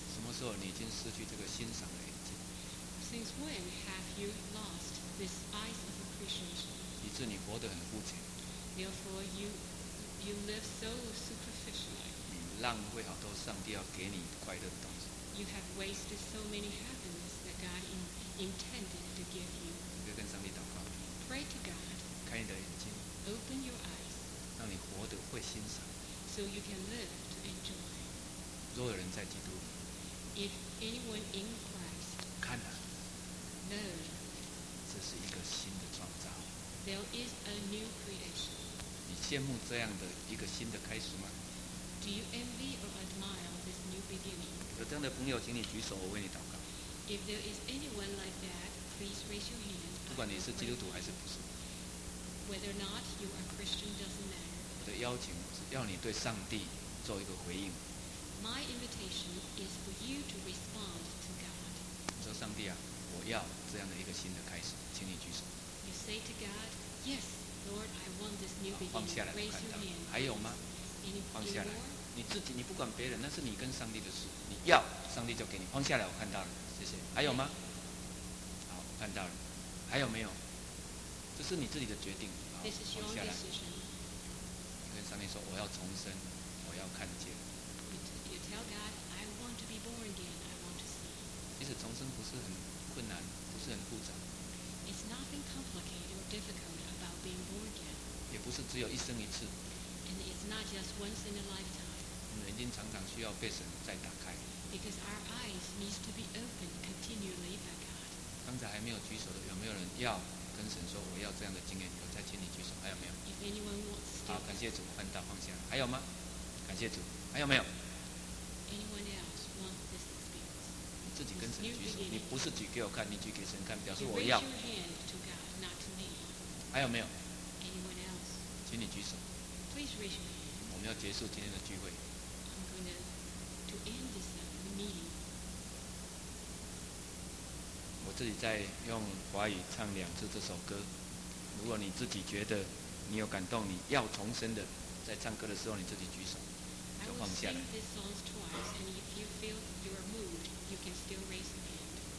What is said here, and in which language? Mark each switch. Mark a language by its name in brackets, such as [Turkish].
[Chinese] 什么时候你已经失去这个欣赏的眼睛 [English] ？Since when have you lost this eyes of appreciation？ [Chinese] 以致你活得很肤浅。 [English] Therefore, you live so superficially。 [Chinese] 你浪费好多上帝要给你快乐的东西。 [English] You have wasted so many happiness that God intended to give you. [Chinese] 你可以跟上帝祷告。 [English] Pray to God. [Chinese] 开你的眼睛。 [English] Open your eyes. [Chinese] 让你活得会欣赏。 [English] So you can live to enjoy. [Chinese] 若有人在基督。 [English] If anyone in Christ. [Chinese] 看啊。 [English] Know. [Chinese] 这是一个新的创造。 [English] There is a new creation. [Chinese] 你羡慕这样的一个新的开始吗？ [English] Do you envy or admire this new beginning? [Chinese] 有这样的朋友，请你举手，我为你祷告。 [English] If there is anyone like that, please raise your hand. [Chinese] 不管你是基督徒还是不是。 [English] Whether or not you are Christian doesn't matter. [Chinese] 我的邀请是要你对上帝做一个回应。 [English] My invitation is for you to respond to God. [Chinese] 你说上帝啊，我要这样的一个新的开始，请你举手。 [English] You say to God, Yes, Lord, I want this new beginning. Raise your hand. [Chinese] 还有吗？放下来， [English] anymore? [Chinese] 你自己，你不管别人，那是你跟上帝的事。你要，上帝就给你。放下来，我看到了，谢谢。还有吗？好，我看到了。还有没有？这是你自己的决定。好，放下来。你跟上帝说，我要重生，我要看见。 [English] You tell God, I want to be born again. I want to see. [Chinese] 其实重生不是很困难，不是很复杂。 [English] It's nothing complicated or difficult about being born again. [Chinese] 也不是只有一生一次。 [English] And it's not just once in a lifetime. [Chinese] 眼睛常常需要被神再打开。 [English] Because our eyes need to be opened continually by God. [Chinese] 刚才还没有举手的，有没有人要跟神说我要这样的经验？我再请你举手，还有没有 [English] ？If anyone wants to. [Chinese] 好，感谢主，看到方向，还有吗？感谢主，还有没有 [English] ？Anyone else want this experience? [Chinese] 你自己跟神举手，你不是举给我看，你举给神看，表示我要。 [English] Raise your hand to God, not to me. [Chinese] 还有没有 [English] ？Anyone else? [Chinese] 请你举手。 [English] Please raise your hand. [Chinese] 我们要结束今天的聚会。 [English] I'm going to end this meeting. [Chinese] 我自己在用华语唱两次这首歌。如果你自己觉得你有感动，你要重生的，在唱歌的时候你自己举手，就放下来。 [English] I will sing these songs twice, and if you feel you are moved, you can still raise your hand.